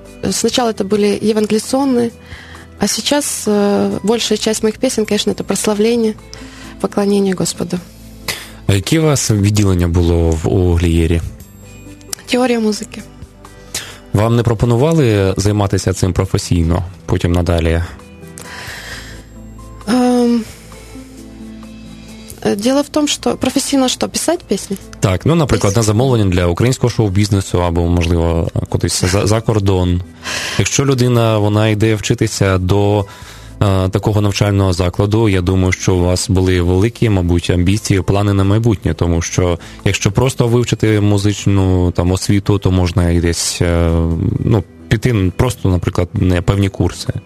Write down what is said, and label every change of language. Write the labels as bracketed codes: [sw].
[ru] Сначала это были евангелиционные, а сейчас большая часть моих песен, конечно, это прославление, поклонение Господу. А какие у вас [uk] відділення було [ru] в Глиері? Теория музыки. [uk] Вам не пропонували займатися цим професійно потім надалі? [ru] Дело в том, что профессионально что, писать песни? [uk] Так, ну, [ru] например, [uk] на замовлення для українського шоу-бізнесу або, можливо, кудись за кордон. Якщо людина, вона йде вчитися до такого навчального закладу, я думаю, що у вас були великі, мабуть, амбіції, плани на майбутнє, тому що якщо просто вивчити музичну там освіту, то можна і десь, ну, піти просто, наприклад, на певні курси.